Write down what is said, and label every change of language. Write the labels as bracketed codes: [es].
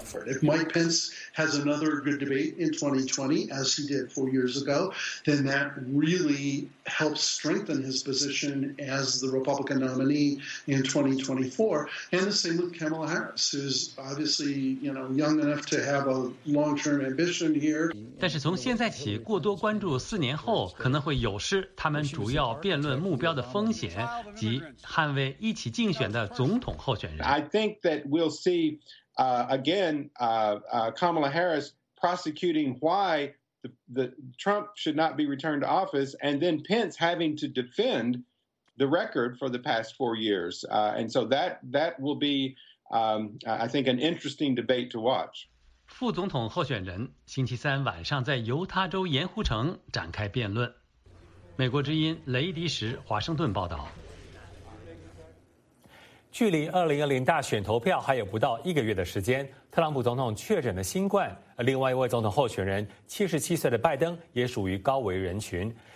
[en] If Mike Pence has another good debate in 2020, as he did 4 years ago, then that really helps strengthen his position as the Republican nominee in 2024. And the same with Kamala Harris, who's obviously, you know, young enough to have a long-term ambition here. [zh] 但是从现在起，过多关注四年后可能会有失他们主要辩论目标的风险，即捍卫一起竞选的总统候选人。 [en] I think that we'll see Kamala Harris prosecuting why the Trump should not be returned to office, and then Pence having to defend the record for the past 4 years. And so that will be, I think, an interesting debate to watch. [zh] 副总统候选人星期三晚上在犹他州盐湖城展开辩论。美国之音雷迪什华盛顿报道。距离2020大选投票还有不到一个月的时间，特朗普总统确诊了新冠，而另外一位总统候选人77岁的拜登也属于高危人群。